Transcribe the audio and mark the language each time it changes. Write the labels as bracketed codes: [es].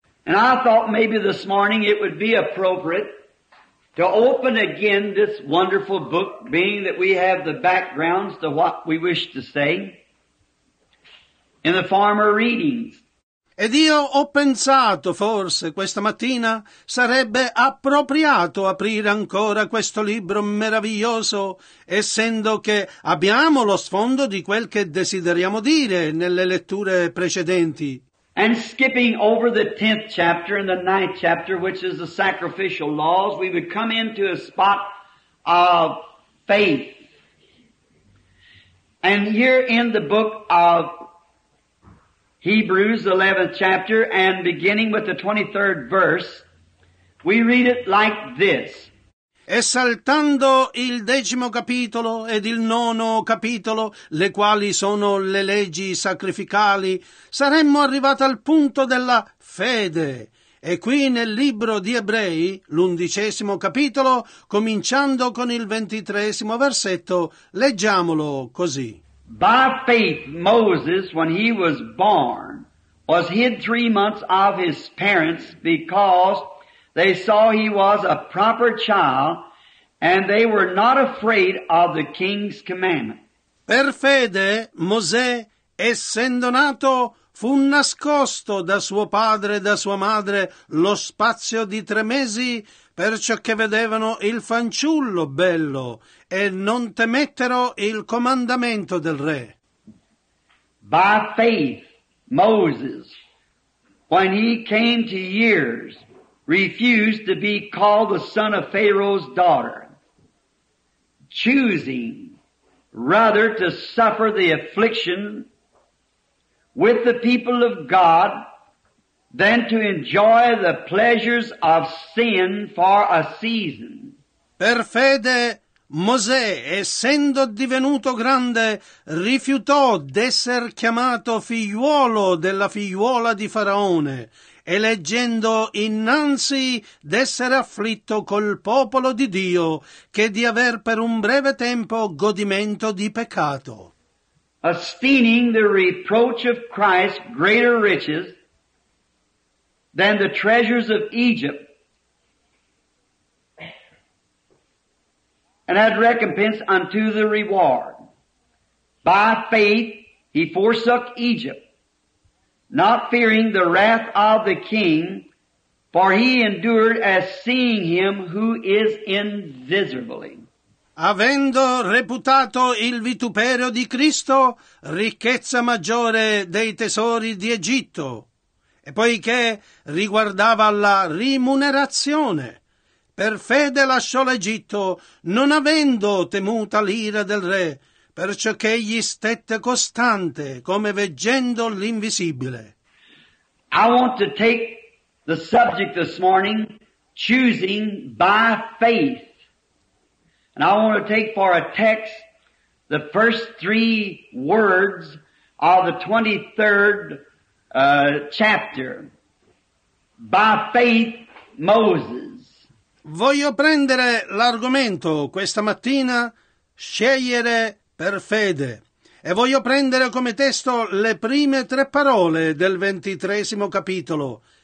[en] And I thought maybe this morning it would be appropriate to open again this wonderful book, being that we have the backgrounds to what we wish to say, in the former readings. [it] Ed io ho pensato, forse questa mattina, sarebbe appropriato aprire ancora questo libro meraviglioso, essendo che abbiamo lo sfondo di quel che desideriamo dire nelle letture precedenti. [en] And skipping over the 10th chapter and the 9th chapter, which is the sacrificial laws, we would come into a spot of faith. And here in the book of Hebrews, the 11th chapter, and beginning with the 23rd verse, we read it like this. [it] E saltando il decimo capitolo ed il nono capitolo, le quali sono le leggi sacrificali, saremmo arrivati al punto della fede. E qui nel libro di Ebrei, l'undicesimo capitolo, cominciando con il ventitreesimo versetto, leggiamolo così. [en] By faith Moses, when he was born, was hid 3 months of his parents, because they saw he was a proper child, and they were not afraid of the king's commandment. [it] Per fede, Mosè, essendo nato, fu nascosto da suo padre e da sua madre lo spazio di 3 mesi, perciò che vedevano il fanciullo bello, e non temettero il comandamento del re. [en] By faith, Moses, when he came to years, refused to be called the son of Pharaoh's daughter, choosing rather to suffer the affliction with the people of God than to enjoy the pleasures of sin for a season. [it] Per fede, Mosè, essendo divenuto grande, rifiutò d'esser chiamato figliuolo della figliuola di Faraone, eleggendo innanzi d'essere afflitto col popolo di Dio che di aver per un breve tempo godimento di peccato. [en] Esteeming the reproach of Christ greater riches than the treasures of Egypt, and had recompense unto the reward. By faith he forsook Egypt, not fearing the wrath of the king, for he endured as seeing him who is invisible. [it] Avendo reputato il vituperio di Cristo ricchezza maggiore dei tesori di Egitto, e poiché riguardava la rimunerazione, per fede lasciò l'Egitto, non avendo temuta l'ira del re, perciò che egli stette costante, come veggendo l'invisibile. [en] I want to take the subject this morning, choosing by faith. And I want to take for a text the first 3 words of the 23rd chapter. By faith, Moses. [it] Voglio prendere l'argomento questa mattina, scegliere per fede. E voglio prendere come testo le prime 3 parole del 23° capitolo.